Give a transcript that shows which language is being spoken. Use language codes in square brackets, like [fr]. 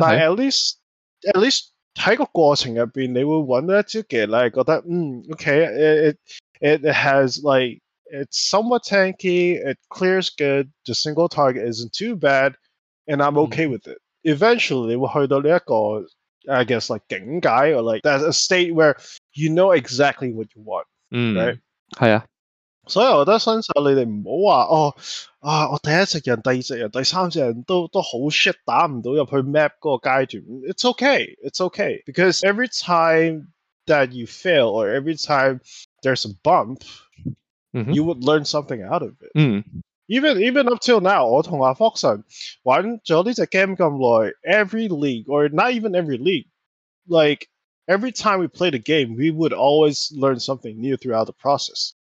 [en] 但 at least [yue] 喺个过程入边，你会揾到一招技，你系觉得 [en] okay, it has like it's somewhat tanky, it clears good, the single target isn't too bad, and I'm okay with it. Eventually, [yue] 你会去到呢一个 [en] I guess like 境界 or like that's a state where you know exactly what you want. [yue] 嗯，系啊，所以我觉得新手你哋唔好话哦啊，我第一隻人、第二隻人、第三隻人都好 shit， 打唔到入去 map 嗰个阶段。 [en] It's okay. Because every time that you fail or every time there's a bump,、 mm-hmm. you would learn something out of it.、 Mm-hmm. Even up till now, [yue] 我同阿 Foxon 玩咗呢隻 game 咁耐 [en] ，every league or not even every league, like every time we play the game, we would always learn something new throughout the process.